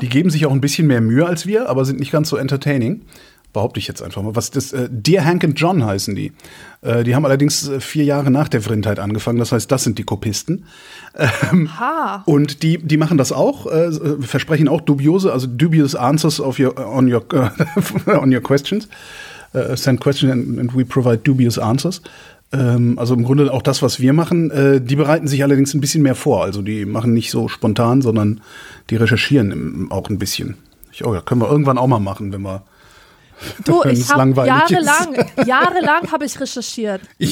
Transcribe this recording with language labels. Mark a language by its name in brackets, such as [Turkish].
[German] Die geben sich auch ein bisschen mehr Mühe als wir, aber sind nicht ganz so entertaining. Behaupte ich jetzt einfach mal. Was das? Dear Hank and John heißen die. Die haben allerdings 4 Jahre nach der Vrindheit angefangen. Das heißt, das sind die Kopisten. Ha. Und die machen das auch, versprechen auch [English] dubious answers of your on your on your questions. Send questions and we provide dubious answers. [German] Also im Grunde auch das, was wir machen. Die bereiten sich allerdings ein bisschen mehr vor. Also die machen nicht so spontan, sondern die recherchieren auch ein bisschen. Oh ja, können wir irgendwann auch mal machen, wenn wir. Du, ich habe jahrelang habe ich recherchiert.